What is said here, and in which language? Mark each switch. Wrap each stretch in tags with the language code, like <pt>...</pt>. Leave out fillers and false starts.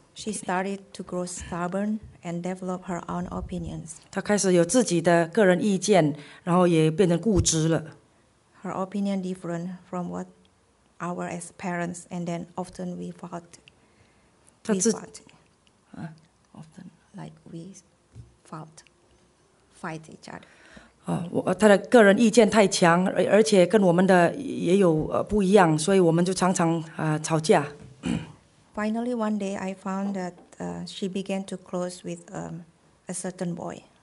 <en>She started to grow stubborn and develop her own opinions.</en> <zh>她开始有自己的个人意见, 然后也变成固执了。</zh> <en>Her opinion different from what our as parents, and then often we fought.</en> <zh>他自己,</zh> <en>fight each other.</en> <zh>他的个人意见太强, 而且跟我们的也有不一样, 所以我们就常常, 吵架。</zh> <en>Finally, one day I found that she began to close with a certain boy.</en>